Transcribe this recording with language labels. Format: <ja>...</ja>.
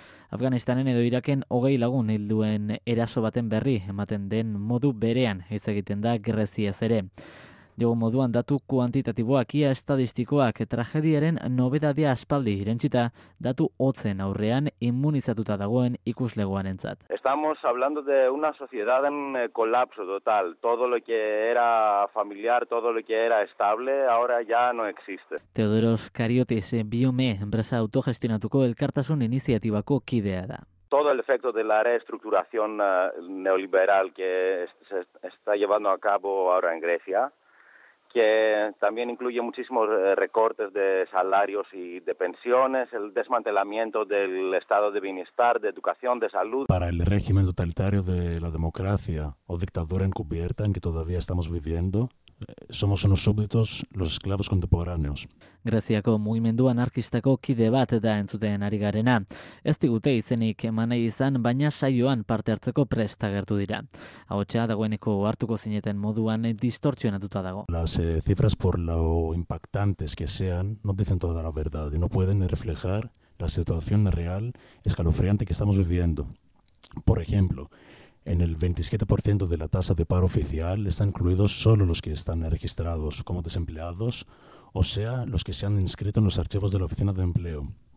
<eu>Afganistanen edo Iraken 20 lagun hilduen eraso baten berri ematen den modu berean hitz egiten da Greziaz ere. Diogu moduan datu kuantitatiboak ia estadistikoak tragediaren nobedadea aspaldi irentzita datu hotzen aurrean immunizatuta dagoen ikuslegoarentzat.</eu> <es>Estamos hablando de una sociedad en colapso total. Todo lo que era familiar, todo lo que era estable, ahora ya no existe.</es> <eu>Teodoros Kariotis, Biome, enpresa autogestionatuko elkartasun iniziatibako kidea da.</eu> <es>Todo el efecto de la reestructuración neoliberal que se está llevando a cabo ahora en Grecia, que también incluye muchísimos recortes de salarios y de pensiones, el desmantelamiento del estado de bienestar, de educación, de salud. Para el régimen totalitario de la democracia o dictadura encubierta en que todavía estamos viviendo, somos unos súbditos, los esclavos contemporáneos.</es> <eu>Greziako mugimendu anarkistako kide bat da entzuten ari garena. Ez digute izenik emanei izan, baina saioan parte hartzeko prest agertu dira. Ahotsa dagoeneko hartuko zineten moduan distortzionatuta dago.</eu> <es>Las cifras por lo impactantes que sean no dicen toda la verdad y no pueden reflejar la situación real escalofriante que estamos viviendo. Por ejemplo, en el 27% de la tasa de paro oficial están incluidos solo los que están registrados como desempleados, o sea, los que se han inscrito en los archivos de la Oficina de Empleo.</es>